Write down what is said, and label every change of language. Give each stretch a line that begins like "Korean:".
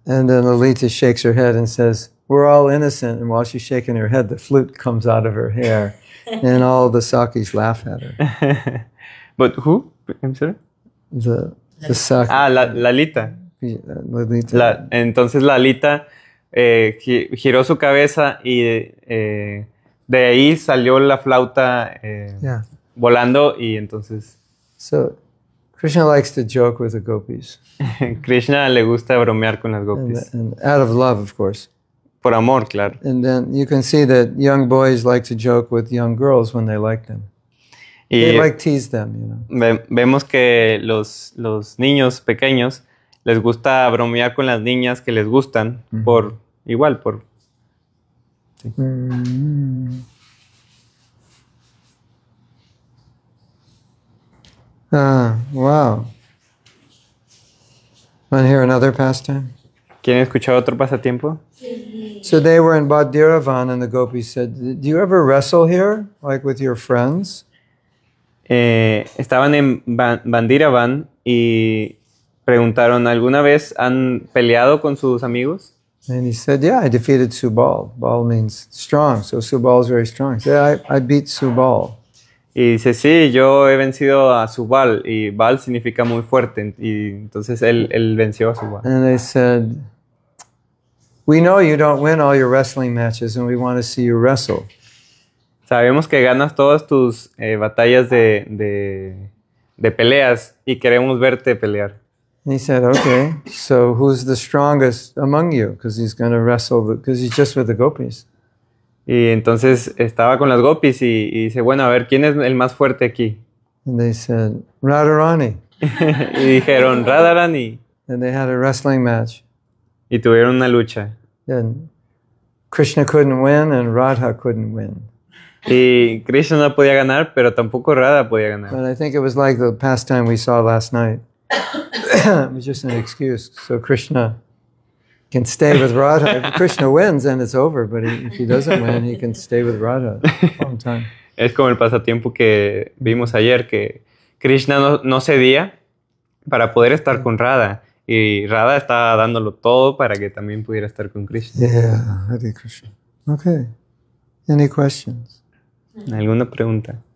English: And then Lalita shakes her head and says, we're all innocent. And while she's shaking her head, the flute comes out of her hair. And all the Sakis laugh at her. But who? I'm sorry? The Saki. Ah, Lalita. Lalita.
Spanish: Entonces Lalita giró su cabeza y de ahí salió la flauta volando y entonces...
English: So, Krishna likes to joke with the gopis.
Spanish: Krishna le gusta bromear con las gopis.
English: And out of love, of course.
Spanish: Por amor, claro.
English: And then you can see that young boys like to joke with young girls when they like them.
Spanish: Y
English: they like tease them, you know.
Spanish: Vemos que los niños pequeños les gusta bromear con las niñas que les gustan por igual, por... Sí. Mm-hmm. Wow.
English: Want to hear another pastime?
Spanish: ¿Quieren escuchar otro pasatiempo? Sí.
English: So they were in Bhadiravan and the gopis said, do you ever wrestle here, like with your friends?
Spanish: Estaban en Bandiravan y preguntaron, ¿alguna vez han peleado con sus amigos?
English: And he said, yeah, I defeated Subal. Bal means strong, so Subal is very strong. He said, I beat Subal.
Spanish: Y dice, sí, yo he vencido a Subal, y Bal significa muy fuerte, y entonces él venció a Subal.
English: And they said, we know you don't win all your wrestling matches, and we want to see you wrestle.
Spanish: Sabemos que ganas todas tus batallas de peleas, y queremos verte pelear.
English: And he said, okay, so who's the strongest among you? Because he's going to wrestle, because he's just with the gopis.
Spanish: Y entonces estaba con las gopis y dice, bueno, a ver, ¿quién es el más fuerte aquí?
English: And they said, Radharani.
Spanish: Y dijeron, Radharani.
English: And they had a wrestling match.
Spanish: Y tuvieron una lucha.
English: And Krishna couldn't win and Radha couldn't win.
Spanish: Y Krishna no podía ganar, pero tampoco Radha podía ganar.
English: But I think it was like the pastime we saw last night. It was just an excuse so Krishna can stay with Radha. If Krishna wins, then it's over. But if he doesn't win, he can stay with Radha a long time.
Spanish: Es como el pasatiempo que vimos ayer, que Krishna no cedía para poder estar con Radha. Y Radha está dándolo todo para que también pudiera estar con Krishna.
English: Yeah, Hare Krishna. Okay. Any questions?
Spanish: ¿Alguna pregunta?